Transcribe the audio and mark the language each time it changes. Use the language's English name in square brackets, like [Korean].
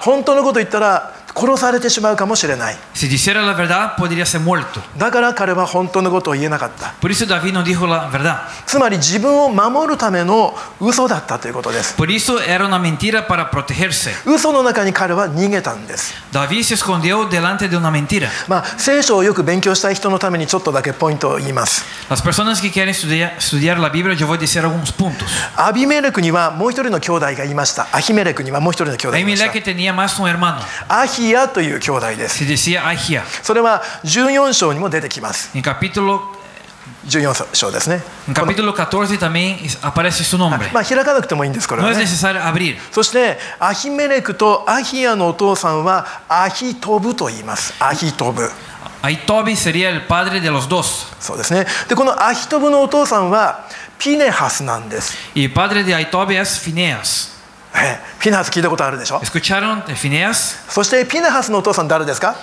[Japanese] 本当のことを言ったら殺されてしまうかもしれない。 [Spanish] Si dijera la verdad, podría ser muerto. [Japanese] だから彼は本当のことを言えなかった。 [Spanish] Por eso David no dijo la verdad. [Japanese] つまり自分を守るための嘘だったということです。 [Spanish] Por eso era una mentira para protegerse. [Japanese] 嘘の中に彼は逃げたんです。 [Spanish] David se escondió delante de una mentira. [Japanese] まあ、聖書をよく勉強したい人のためにちょっとだけポイントを言います。 [Spanish] Las personas que quieren estudiar la Biblia, yo voy a decir algunos puntos. [Japanese] アビメレクにはもう一人の兄弟がいました。アヒメレクにはもう一人の兄弟がいました。 [Spanish] Ahimelech tenía más un hermano. [Japanese] アヒアという兄弟です。それは14章にも出てきます。 14章ですね。 [Spanish] capítulo 14 también aparece su nombre. [Japanese] まあ開かなくてもいいんです、これはね。 [Spanish] No es necesario abrir. [Japanese] そしてアヒメレクとアヒアのお父さんはアヒトブと言います。アヒトブ。 [Spanish] アヒトブ sería el padre de los dos. [Japanese] そうですね。でこのアヒトブのお父さんはピネハスなんです。 [Spanish] y padre de Ahitobi es Phineas. [Japanese] ピネハス聞いたことあるでしょ。 [Spanish] Escucharon de Phineas? [Japanese] そしてピネハスのお父さん誰ですか？